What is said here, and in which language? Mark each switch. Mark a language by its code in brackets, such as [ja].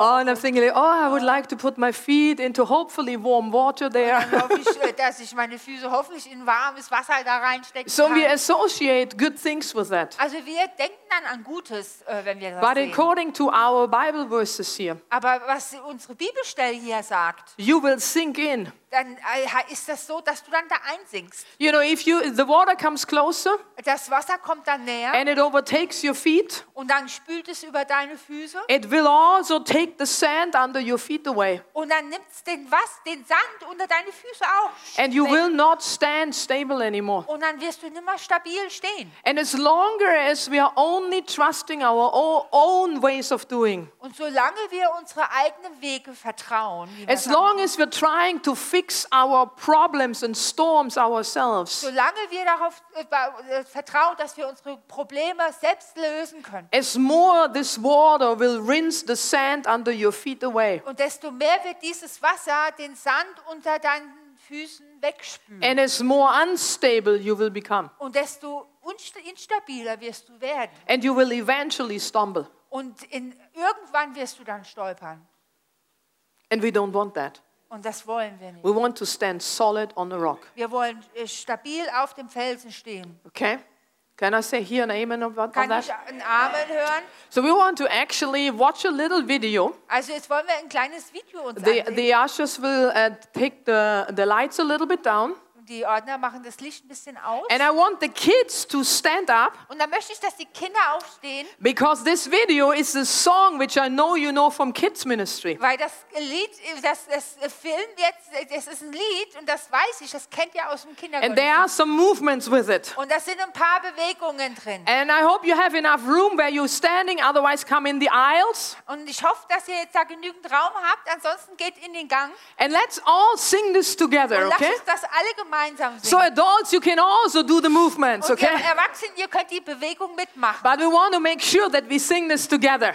[en] Oh, and I'm thinking, oh, I would like to put my feet into hopefully warm water there. [de] Dass ich meine Füße hoffentlich in warmes Wasser da reinstecken kann. [en] So we associate good things with that. [de] Also wir denken dann an Gutes, wenn wir das [en] But [de] sehen. [en] According to our Bible verses here. [de] Aber was unsere Bibelstelle hier sagt. [en] You will sink in. [de] Dann ist das so, dass du dann da einsinkst. [en] You know, if you the water comes closer. [de] Das Wasser kommt dann näher. [en] And it overtakes your feet. [de] Und dann spült es über deine Füße. [en] It will also take the sand under your feet away. [de] Und dann nimmt's den Sand unter deine Füße auch. [en] And you will not stand stable anymore. [de] Und dann wirst du nimmer stabil stehen. [en] And as long as we are only trusting our own ways of doing. [de] Und solange wir unsere eigenen Wege vertrauen. [en] As long as we're trying to fix our problems and storms ourselves. [de] Solange wir darauf vertrauen, dass wir unsere Probleme selbst lösen können. [en] As more this water will rinse the sand under your feet away. [de] Und desto mehr wird dieses Wasser den Sand unter deinen Füßen wegspülen. [en] And as more unstable you will become. [de] Und desto instabiler wirst du werden. [en] And you will eventually stumble. [de] Und irgendwann wirst du dann stolpern. [en] And we don't want that. [de] Und das wollen wir nicht. [en] We want to stand solid on the rock. [de] Wir wollen stabil auf dem Felsen stehen. [en] Okay. Can I say here an amen of that? [de] Kann ich ein Amen hören? [en] So we want to actually watch a little video. [de] Also jetzt wollen wir ein kleines Video uns ansehen. [en] The ushers will take the lights a little bit down. [de] Die Ordner machen das Licht ein bisschen aus. [en] And I want the kids to stand up. [de] Und dann möchte ich, dass die Kinder aufstehen. [en] Because this video is a song which I know you know from kids ministry. [de] Weil das Lied, das Film jetzt, das ist ein Lied und das weiß ich, das kennt ihr aus dem Kindergottesdienst. [en] And there are some movements with it. [de] Und da sind ein paar Bewegungen drin. [en] And I hope you have enough room where you're standing, otherwise come in the aisles. [de] Und ich hoffe, dass ihr jetzt da genügend Raum habt, ansonsten geht in den Gang. [en] And let's all sing this together, okay? [de] Und lasst uns das alle gemeinsam. [en] So adults, you can also do the movements, okay? [de] Und Erwachsene, ihr könnt die Bewegung mitmachen. [en] But we want to make sure that we sing this together.